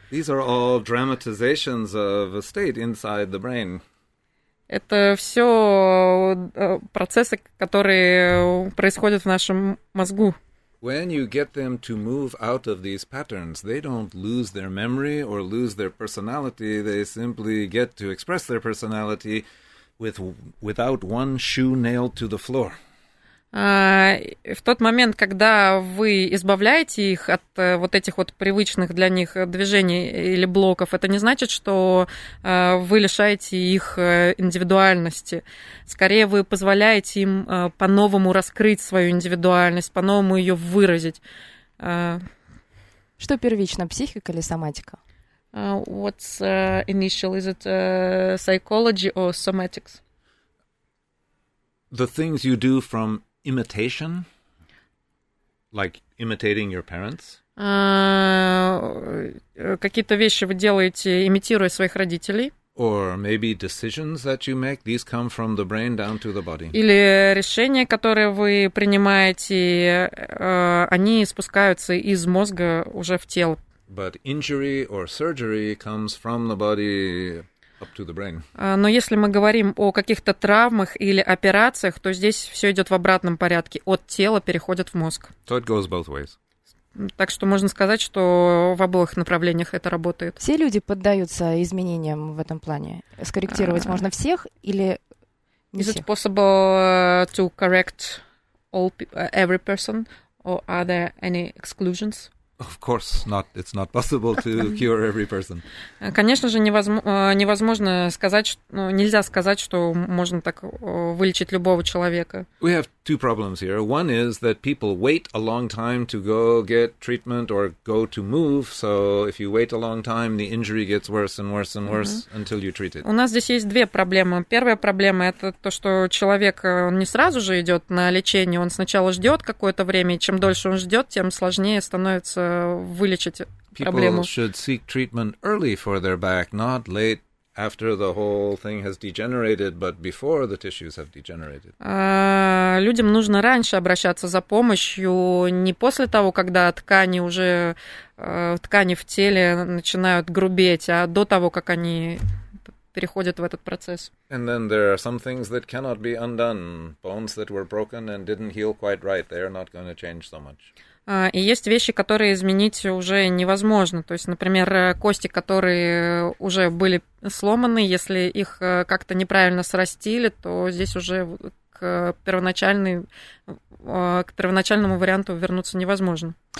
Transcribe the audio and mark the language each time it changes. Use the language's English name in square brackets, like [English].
[English] These are all dramatizations of a state inside the brain. [Russian] Это все процессы, которые происходят в нашем мозгу. [English] When you get them to move out of these patterns, they don't lose their memory or lose their personality. They simply get to express their personality without one shoe nailed to the floor. [Russian] В тот момент, когда вы избавляете их от вот этих вот привычных для них движений или блоков, это не значит, что вы лишаете их индивидуальности. Скорее, вы позволяете им по-новому раскрыть свою индивидуальность, по-новому ее выразить. Что первично, психика или соматика? [English] What's initial? Is it psychology or somatics? The things you do from imitation, like imitating your parents. [Russian] Какие-то вещи вы делаете, имитируя своих родителей. [English] Or maybe decisions that you make, these come from the brain down to the body. [Russian] Или решения, которые вы принимаете, они спускаются из мозга уже в тело. [English] But injury or surgery comes from the body up to the brain. [Russian] Но если мы говорим о каких-то травмах или операциях, то здесь все идет в обратном порядке. От тела переходит в мозг. [English] So it goes both ways. [Russian] Так что можно сказать, что в обоих направлениях это работает. Все люди поддаются изменениям в этом плане? Скорректировать можно всех или не всех? [English] Is it possible to correct all every person? Or are there any exclusions? Of course not. It's not possible to cure every person. [Russian] Конечно же, невозможно сказать, нельзя сказать, что можно так вылечить любого человека. [English] We have two problems here. One is that people wait a long time to go get treatment or go to move. So if you wait a long time, the injury gets worse and worse and worse until you treat it. [Russian] У нас здесь есть две проблемы. Первая проблема – это то, что человек он не сразу же идет на лечение. Он сначала ждет какое-то время, и чем дольше он ждет, тем сложнее становится вылечить [English] People [Russian] проблему. [English] People should seek treatment early for their back, not late after the whole thing has degenerated, but before the tissues have degenerated. [Russian] Людям нужно раньше обращаться за помощью, не после того, когда ткани уже, ткани в теле начинают грубеть, а до того, как они переходят в этот процесс. [English] And then there are some things that cannot be undone. Bones that were broken and didn't heal quite right, they are not going to change so much. [Russian] И есть вещи, которые изменить уже невозможно. То есть, например, кости, которые уже были сломаны, если их как-то неправильно срастили, то здесь уже к первоначальному варианту вернуться невозможно.